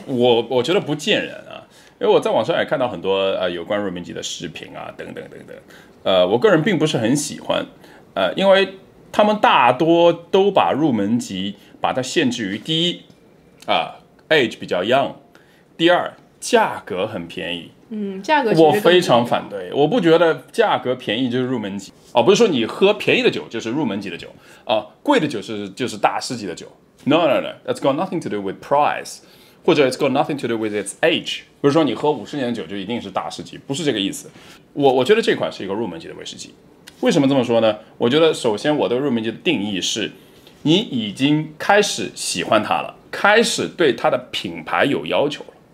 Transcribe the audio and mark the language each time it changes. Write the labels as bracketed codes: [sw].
[zh] 我觉得不见人啊，因为我在网上也看到很多、有关入门级的视频啊等等等等、我个人并不是很喜欢、因为他们大多都把入门级把它限制于第一、age 比较 young， 第二价格很便宜。嗯，价格我非常反对，我不觉得价格便宜就是入门级。哦，不是说你喝便宜的酒就是入门级的酒啊、贵的酒是就是大师级的酒。 [en] No no no， it's got nothing to do with price， [zh] 或者 [en] it's got nothing to do with its age。 [zh] 不是说你喝50年的酒就一定是大师级，不是这个意思。我觉得这款是一个入门级的威士忌。为什么这么说呢？我觉得首先我的入门级的定义是，你已经开始喜欢它了，开始对它的品牌有要求了。